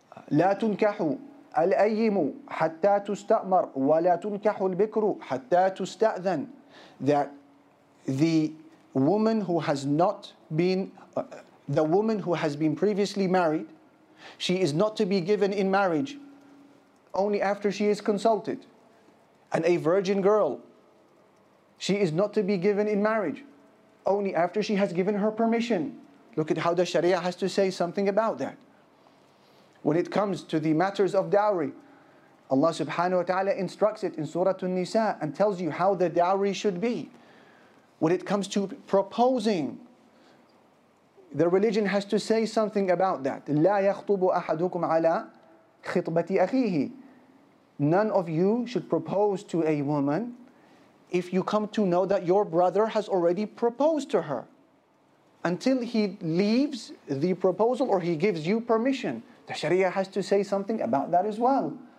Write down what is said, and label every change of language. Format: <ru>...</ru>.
<ar>لا تنكح الأيم حتى تستأمر ولا تنكح البكر حتى تستأذن.</ar> <en>That the woman who has not been the woman who has been previously married, she is not to be given in marriage only after she is consulted. And a virgin girl, she is not to be given in marriage only after she has given her permission. Look at how the Sharia has to say something about that. When it comes to the matters of dowry, Allah subhanahu wa ta'ala instructs it in Surah An-Nisa and tells you how the dowry should be. When it comes to proposing, the religion has to say something about that.</en> <ar>لا يخطب أحدكم على خطبة أخيه.</ar> <en>None of you should propose to a woman if you come to know that your brother has already proposed to her. Until he leaves the proposal or he gives you permission, the Sharia has to say something about that as well.</en>